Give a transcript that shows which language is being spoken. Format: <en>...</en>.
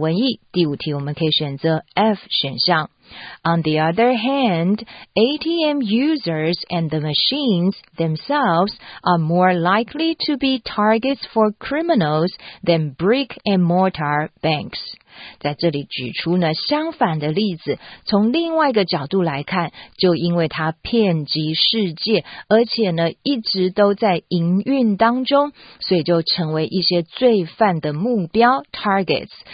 <zh>当然，最大的好处就是便利性，而且世界各地都有。延续这样的文意，第五题我们可以选择 F 选项。</zh> <en>On the other hand, ATM users and the machines themselves are more likely to be targets for criminals than brick-and-mortar banks.</en> <zh>在这里举出呢相反的例子，从另外一个角度来看，就因为它遍及世界，而且呢一直都在营运当中，所以就成为一些罪犯的目标 targets.</zh>